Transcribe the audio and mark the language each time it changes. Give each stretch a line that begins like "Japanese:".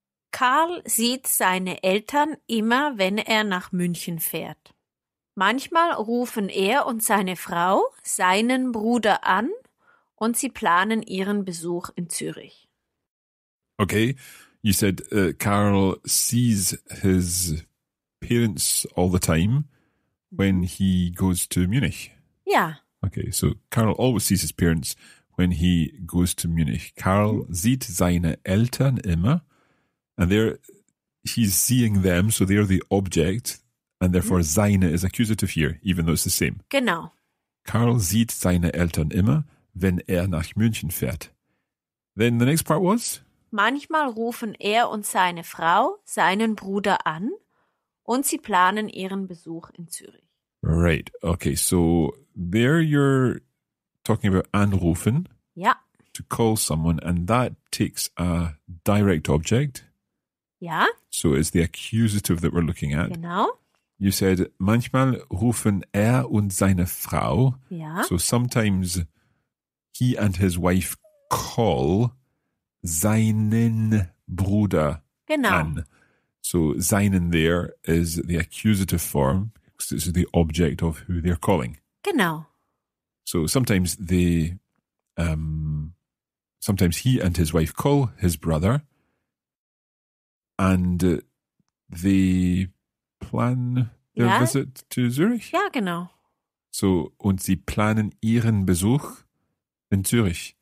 German: Karl sieht seine Eltern immer, wenn er nach München fährt. Manchmal rufen er und seine Frau seinen Bruder an, und sie planen ihren Besuch in Zürich.
English: Okay, you said Karl sees his parents all the time when he goes to Munich. Yeah. Okay, so Karl always sees his parents when he goes to Munich.
German: Karl sieht seine Eltern immer.
English: And there he's seeing them, so they are the object. And therefore seine is accusative here, even though it's the same.
German: Genau. Karl sieht seine Eltern immer, wenn er nach München fährt.
English: Then the next part was?
German: Manchmal rufen er und seine Frau seinen Bruder an und sie planen ihren Besuch in Zürich.
English: Right, okay, so there you're talking about anrufen.
German: Ja.
English: To call someone, and that takes a direct object.
German: Ja.
English: So it's the accusative that we're looking at.
German: Genau.
English: You said,
German: manchmal rufen er und seine Frau. Ja.
English: So sometimes he and his wife call
German: seinen Bruder genau. an.
English: So seinen there is the accusative form, because it's the object of who they're calling.
German: Genau.
English: So sometimes they, sometimes he and his wife call his brother, and they plan their visit to Zurich.
German: Ja, genau. So, und sie planen ihren Besuch in Zürich.